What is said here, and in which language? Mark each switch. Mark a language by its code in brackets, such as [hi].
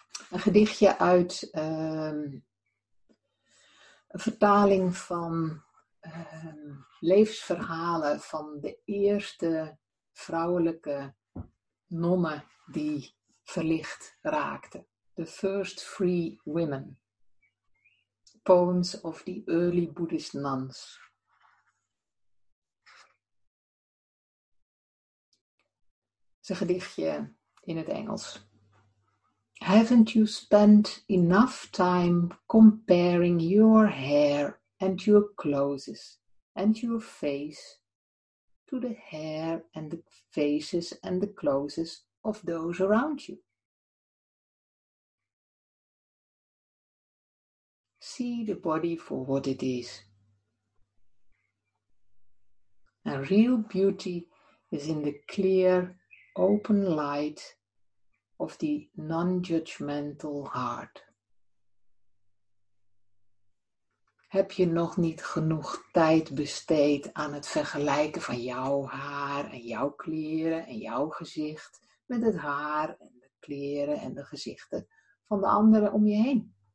[nl] Een gedichtje uit een vertaling van levensverhalen van de eerste vrouwelijke nonnen die verlicht raakten. [en] The First Free Women. Poems of the Early Buddhist Nuns. [nl] Een gedichtje in het Engels. [en] Haven't you spent enough time comparing your hair and your clothes and your face to the hair and the faces and the clothes of those around you? see the body for what it is. And real beauty is in the clear, open light of the non-judgmental heart. [nl] Heb je nog niet genoeg tijd besteed aan het vergelijken van jouw haar en jouw kleren en jouw gezicht met het haar en de kleren en de gezichten van de anderen om je heen?